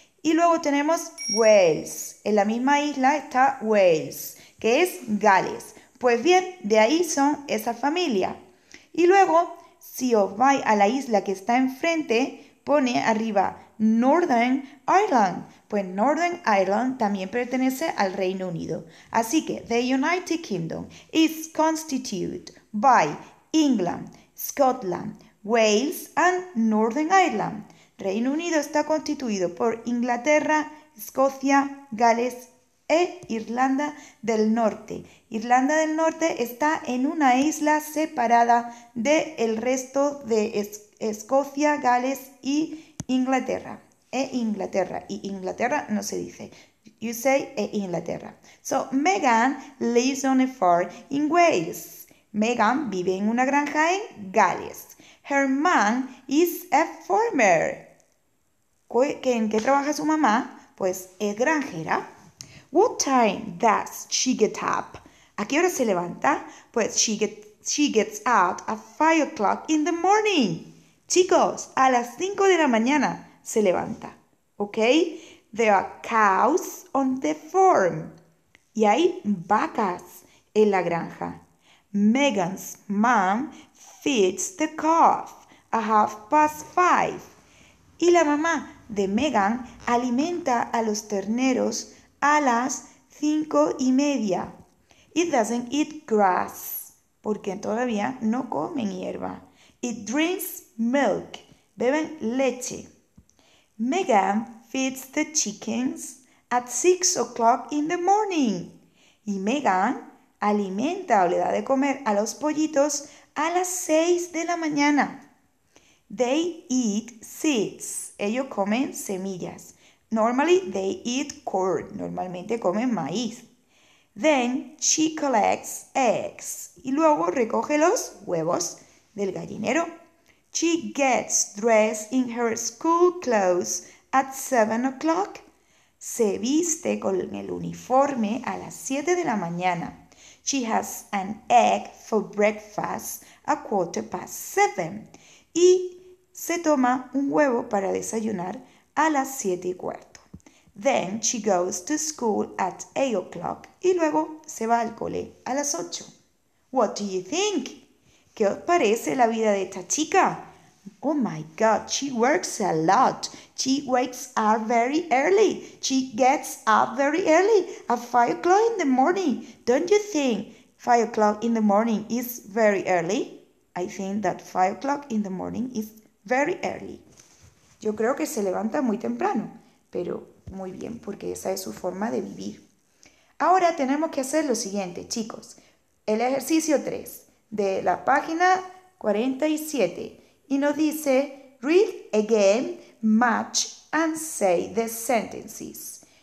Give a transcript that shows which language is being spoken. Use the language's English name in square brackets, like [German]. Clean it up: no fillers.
[Spanish] Y luego tenemos Wales. En la misma isla está Wales, que es Gales. Pues bien, de ahí son esa familia. Y luego, si os vais a la isla que está enfrente, pone arriba Northern Ireland. Pues Northern Ireland también pertenece al Reino Unido. Así que [English] the United Kingdom is constituted by England, Scotland, Wales and Northern Ireland. [Spanish] Reino Unido está constituido por Inglaterra, Escocia, Gales e Irlanda del Norte. Irlanda del Norte está en una isla separada del resto de Escocia, Gales y Inglaterra. E Inglaterra. Y Inglaterra no se dice. [English] You say [Spanish] e Inglaterra. [English] So, Megan lives on a farm in Wales. [Spanish] Megan vive en una granja en Gales. [English] Her man is a farmer. [Spanish] ¿En qué trabaja su mamá? Pues es granjera. [English] What time does she get up? [Spanish] ¿A qué hora se levanta? [English] Pues she gets out at 5 o'clock in the morning. [Spanish] Chicos, a las 5 de la mañana se levanta. [English] ¿Ok? There are cows on the farm. [Spanish] Y hay vacas en la granja. [English] Megan's mom feeds the calf at 5:30. [Spanish] Y la mamá de Megan alimenta a los terneros a las 5:30. [English] It doesn't eat grass, [Spanish] porque todavía no comen hierba. [English] It drinks milk, [Spanish] beben leche. [English] Megan feeds the chickens at 6 o'clock in the morning. [Spanish] Y Megan alimenta o le da de comer a los pollitos a las 6 de la mañana. [English] They eat seeds. [Spanish] Ellos comen semillas. [English] Normally they eat corn. [Spanish] Normalmente comen maíz. [English] Then she collects eggs. [Spanish] Y luego recoge los huevos del gallinero. [English] She gets dressed in her school clothes at 7 o'clock. [Spanish] Se viste con el uniforme a las 7 de la mañana. [English] She has an egg for breakfast at 7:15. [Spanish] Y se toma un huevo para desayunar a las 7:15. [English] Then she goes to school at 8 o'clock. [Spanish] Y luego se va al cole a las 8. [English] What do you think? [Spanish] ¿Qué os parece la vida de esta chica? [English] Oh my God, she works a lot. She wakes up very early. She gets up very early at 5 o'clock in the morning. Don't you think 5 o'clock in the morning is very early? I think that 5 o'clock in the morning is very early. [Spanish] Yo creo que se levanta muy temprano, pero muy bien, porque esa es su forma de vivir. Ahora tenemos que hacer lo siguiente, chicos. El ejercicio 3 de la página 47 y nos dice: [English] Read again, match and say the sentences.